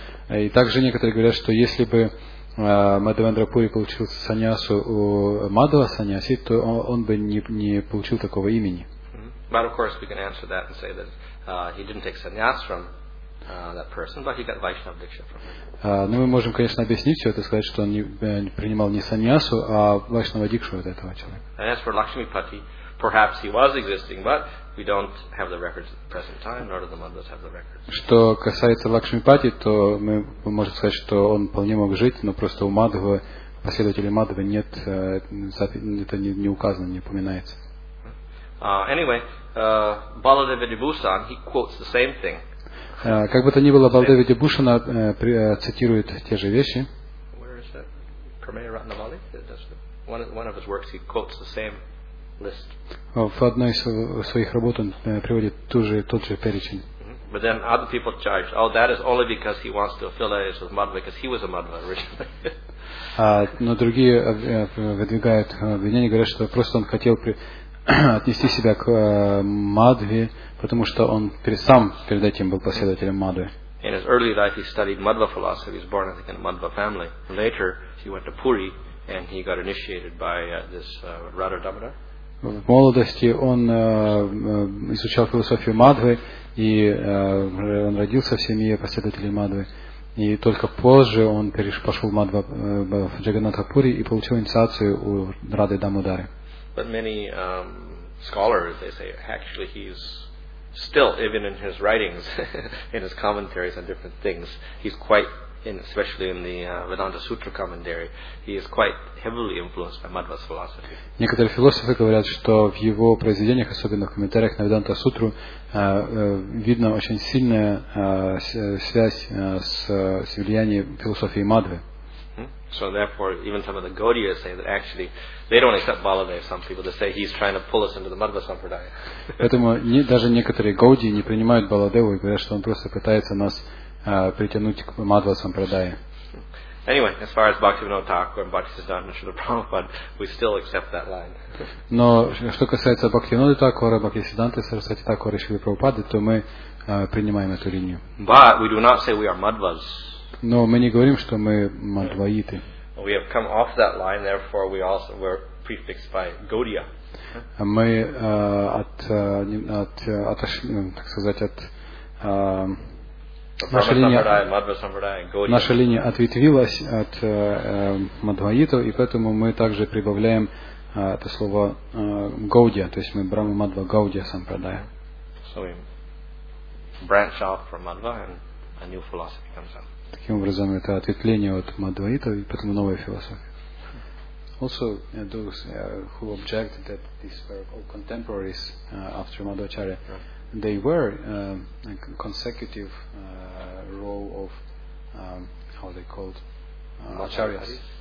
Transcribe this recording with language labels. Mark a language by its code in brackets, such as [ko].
[ru] И также некоторые говорят, что если бы Мадхавендрапури получил саньясу у Мадхва саньяси, то он бы не получил такого имени. [en] But of course we can answer that and say that he didn't take sannyas from that person, but he got Vaishnava Diksha from him. [ru] Но мы можем, конечно, объяснить все это, сказать, что он не принимал не саньясу, а Вайшнава Дикшу от этого человека. [en] And as for Lakshmipati, perhaps he was existing, but we don't have the records at the present time, nor do the Madhvas have the records. [ru] Что касается Лакшмипати, то мы можем сказать, что он вполне мог жить, но просто у Мадхвы, последователей Мадхвы нет, это не указано, не упоминается. [en] Anyway, Baladeva Dibhusan, he quotes the same thing. [ru] Как бы то ни было, Баладева Дибхушана цитирует те же вещи. [en] Where is that? Premier Ratnavali? One of his works, he quotes the same list. [ru] В одной из своих работ он приводит тот же перечень. [en] But then other people charge, oh, that is only because he wants to affiliate with Madhva, because he was a Madhva originally. [ru] Но другие выдвигают обвинения, говорят, что просто он хотел отнести себя к Мадхве, потому что он сам перед этим был последователем Мадхвы. [en] In his early life he studied Madhva philosophy. He was born, I think, in a Madhva family. Later he went to Puri and he got initiated by this Radha Damodar. [ru] В молодости он изучал философию Мадхвы и он родился в семье последователей Мадхвы. И только позже он пошел в Мадхва в Джаганнатха Пури и получил инициацию у Рады Дамодары. [en] But many scholars, they say, actually he's still, even in his writings, in his commentaries on different things, he's quite, especially in the Vedanta Sutra commentary, he is quite heavily influenced by Madhva's philosophy. [ru] Некоторые философы говорят, что в его произведениях, особенно в комментариях на Веданта Сутру, видно очень сильная связь с влиянием философии Мадхвы. [en] So therefore, even some of the Gaudiyas say that actually they don't accept Baladev. Some people they say he's trying to pull us into the Madhva Sampradaya. [ru] Поэтому даже некоторые Гаудии не принимают Баладеву и говорят, что он просто пытается нас притянуть к Мадхва Сампрадае. [en] Anyway, as far as Bhaktivinoda Thakur and Bhaktisiddhanta Srila Prabhupada, we still accept that line. [ru] Но что касается Бхактивинода Такура, Бхактисиддханта Сарасвати Такура и Шрилы Прабхупады, то мы принимаем эту линию. [en] But we do not say we are madhvas. [ru] Но мы не говорим, что мы мадваиты. [en] We have come off that line, therefore we also were prefixed by Gaudiya. [ru] Мы наша линия ответвилась от мадваитов, и поэтому мы также прибавляем это слово Гаудия, то есть мы брама мадва Гаудия сампрадая. [en] So we branch off from Madhva and a new philosophy comes out. [ru] Таким образом, это ответвление от мадваитов, и поэтому новая философия. [en] Also, those who objected that these were all contemporaries after Madhvacharya, yeah, they were a consecutive row of how they called acharyas.